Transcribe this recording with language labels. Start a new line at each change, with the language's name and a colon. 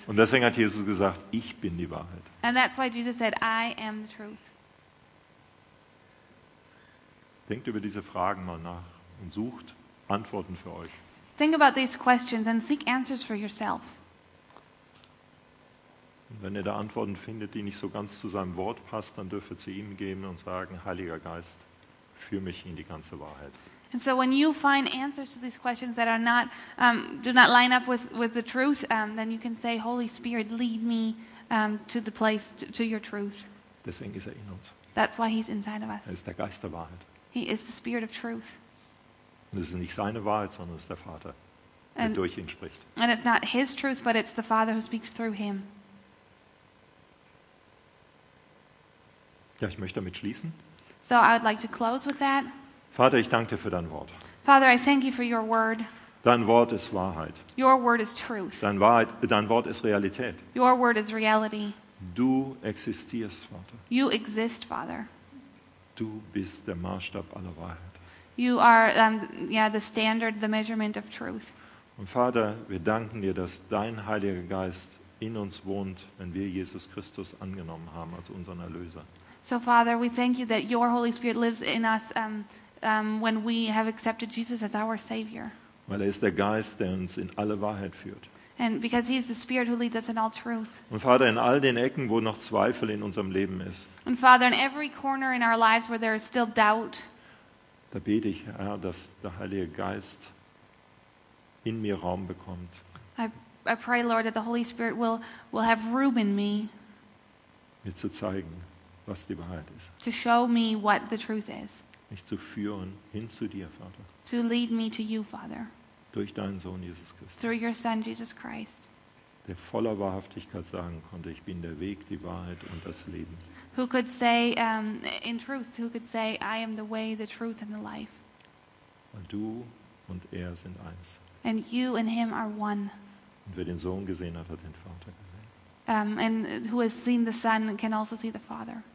German: Und deswegen hat Jesus gesagt, ich bin die Wahrheit.
English: And that's why Jesus said, I am the truth.
German: Denkt über diese Fragen mal nach und sucht Antworten für euch.
English: Think about these questions and seek answers for yourself.
German: Und wenn ihr da Antworten findet, die nicht so ganz zu seinem Wort passt, dann dürft ihr zu ihm gehen und sagen, Heiliger Geist, führ mich in die ganze Wahrheit.
English: And so when you find answers to these questions that are not do not line up with the truth, then you can say, Holy Spirit, lead me to the place to your truth.
German: Deswegen ist er in uns.
English: That's why he's inside of us.
German: Er ist der Geist der Wahrheit.
English: He is the Spirit of truth.
German: Und es ist nicht seine Wahrheit, sondern es ist der Vater, der durch ihn spricht.
English: And it's not his truth, but it's the Father who speaks through him.
German: Ja, ich möchte damit schließen.
English: So I would like to close with that.
German: Vater, ich danke dir für dein Wort.
English: Father, I thank you for your word.
German: Dein Wort ist Wahrheit.
English: Your word is truth.
German: Dein Wort ist Realität.
English: Your word is reality.
German: Du existierst, Vater.
English: You exist, Father.
German: Du bist der Maßstab aller Wahrheit.
English: You are the standard, the measurement of truth.
German: Und Vater, wir danken dir, dass dein Heiliger Geist in uns wohnt, wenn wir Jesus Christus angenommen haben als unseren Erlöser.
English: So Father, we thank you that your Holy Spirit lives in us when we have accepted Jesus as our Savior.
German: Weil er ist der Geist, der uns in alle Wahrheit führt.
English: And because he is the Spirit who leads us in all truth.
German: Und Vater, in all den Ecken, wo noch Zweifel in unserem Leben ist.
English: And Father, in every corner in our lives where there is still doubt.
German: Da bete ich, Herr, dass der Heilige Geist in mir Raum bekommt.
English: I pray, Lord, that the Holy Spirit will have room in me.
German: Mir zu zeigen, was die Wahrheit ist.
English: To show me what the truth is.
German: Mich zu führen hin zu dir, Vater.
English: To lead me to you, Father.
German: Durch deinen Sohn Jesus Christus.
English: Through your Son Jesus Christ.
German: Der voller Wahrhaftigkeit sagen konnte, ich bin der Weg, die Wahrheit und das Leben.
English: Who could say in truth, who could say I am the way, the truth and the life.
German: Und du und er sind eins.
English: And you and him are one.
German: Und wer den Sohn gesehen hat, hat den Vater gesehen.
English: And who has seen the Son can also see the Father.